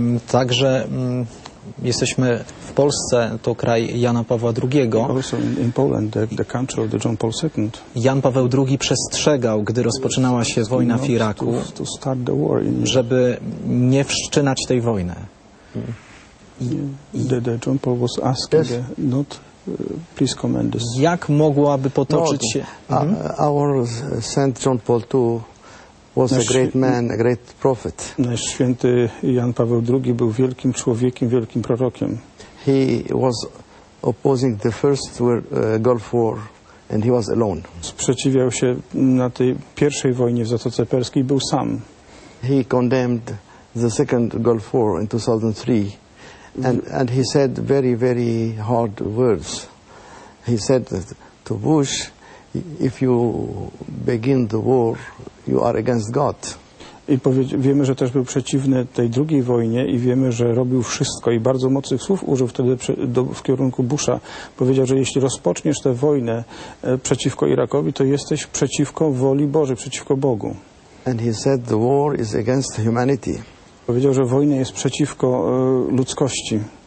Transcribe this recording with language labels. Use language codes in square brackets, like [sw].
[pl] Także jesteśmy w Polsce, to kraj Jana Pawła II. [en] Also in Poland, the country of the John Paul II. [pl] Jan Paweł II przestrzegał, gdy rozpoczynała się wojna w Iraku, żeby nie wszczynać tej wojny. [en] The John Paul was asking not please command this. [pl] Jak mogłaby potoczyć się... [en] Our Saint John Paul II was a great man, a great prophet. [pl] Nasz święty Jan Paweł II był wielkim człowiekiem, wielkim prorokiem. [en] He was opposing the first Gulf War and he was alone. [pl] Sprzeciwiał się na tej pierwszej wojnie w Zatoce Perskiej, był sam. [en] He condemned the second Gulf War in 2003 and he said very, very hard words. He said to Bush, if you begin the war, you are against God. [pl] I wiemy, że też był przeciwny tej drugiej wojnie i wiemy, że robił wszystko i bardzo mocnych słów użył wtedy w kierunku Busha. Powiedział, że jeśli rozpoczniesz tę wojnę przeciwko Irakowi, to jesteś przeciwko woli Bożej, przeciwko Bogu. [en] And he said the war is against humanity. [pl] Powiedział, że wojna jest przeciwko ludzkości.